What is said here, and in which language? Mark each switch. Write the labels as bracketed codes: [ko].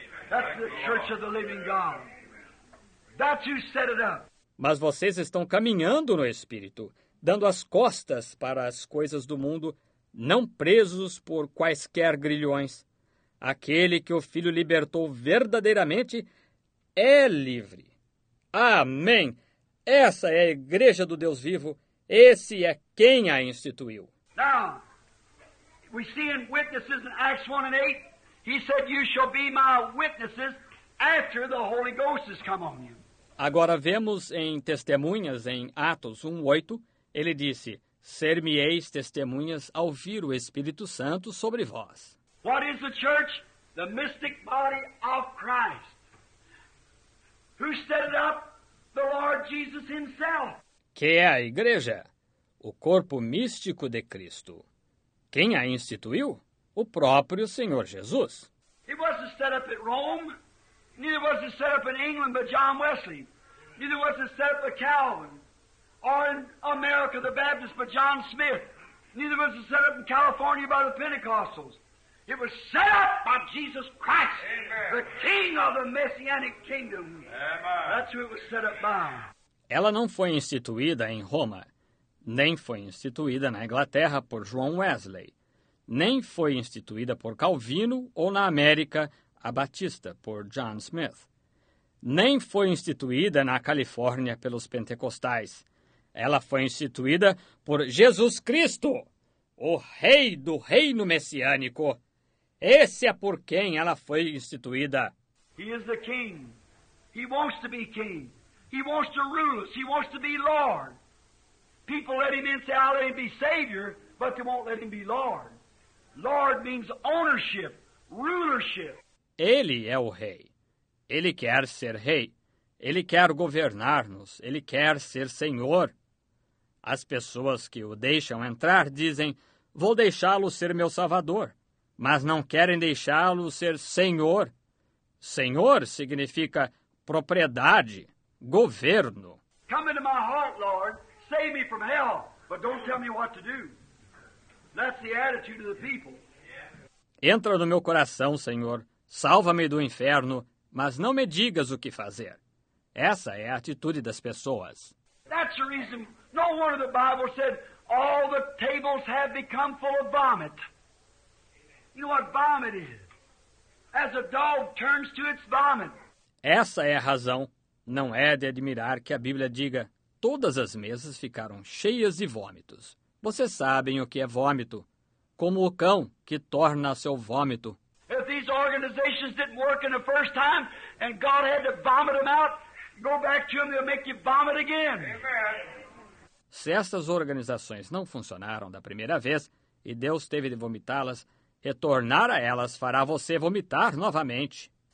[en] That's the Church of the Living God. That's who set it up. [pt] Mas vocês estão caminhando no Espírito, dando as costas para as coisas do mundo, não presos por quaisquer grilhões. Aquele que o Filho libertou verdadeiramente é livre. Amém! Essa é a Igreja do Deus vivo. Esse é quem a instituiu. [en] Now, we see in witnesses in Acts 1 and 8, he said, you shall be my witnesses after the Holy Ghost has come on you. [pt] Agora vemos em Testemunhas, em Atos 1:8, ele disse, ser-me-eis testemunhas ao vir o Espírito Santo sobre vós. [en] What is the church? The mystic body of Christ. Who set it up? The Lord Jesus himself. [pt] Que é a igreja? O corpo místico de Cristo. Quem a instituiu? O próprio Senhor Jesus. [en] He wasn't set up at Rome. Neither was it set up in England by John Wesley. Neither was it set up by Calvin. Or in America, the Baptist, by John Smith. Neither was it set up in California by the Pentecostals. It was set up by Jesus Christ, Amen. The King of the Messianic Kingdom. Amen. That's who it was set up by. [pt] Ela não foi instituída em Roma, nem foi instituída na Inglaterra por John Wesley, nem foi instituída por Calvino ou na América a Batista, por John Smith. Nem foi instituída na Califórnia pelos pentecostais. Ela foi instituída por Jesus Cristo, o Rei do Reino Messiânico. Esse é por quem ela foi instituída. [en] He is the King. He wants to be King. He wants to rule us. He wants to be Lord. People let him in, say, I'll let him be Savior, but they won't let him be Lord. Lord means ownership, rulership. [pt] Ele é o rei. Ele quer ser rei. Ele quer governar-nos. Ele quer ser senhor. As pessoas que o deixam entrar dizem, vou deixá-lo ser meu salvador. mas não querem deixá-lo ser senhor. Senhor significa propriedade, governo. [en] Come into my heart, Lord. Save me from hell, but don't tell me what to do. That's the attitude of the people. [pt] Entra no meu coração, Senhor. Salva-me do inferno, mas não me digas o que fazer. Essa é a atitude das pessoas. [en] That's the reason no wonder the Bible said all the tables have become full of vomit. You know what vomit is? As a dog turns to its vomit. [pt] Essa é a razão. Não é de admirar que a Bíblia diga todas as mesas ficaram cheias de vômitos. Vocês sabem o que é vômito. Como o cão que torna seu vômito. [en] If these organizations didn't work in the first time and God had to vomit them out, go back to them, they'll make you vomit again. Amen. [pt] Se essas organizações não funcionaram da primeira vez e Deus teve de vomitá-las, retornar a elas fará você vomitar novamente.